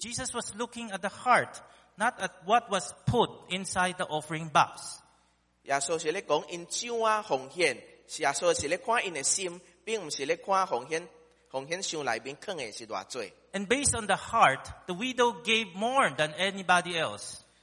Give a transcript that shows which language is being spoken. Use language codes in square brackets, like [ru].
[en] Jesus was looking at the heart, not at what was put inside the offering box. [nan] 耶稣是咧讲因怎啊奉献，是耶稣是咧看因的心，并唔是咧看奉献箱内面藏的是偌济。 [en] And based on the heart, the widow gave more than anybody else.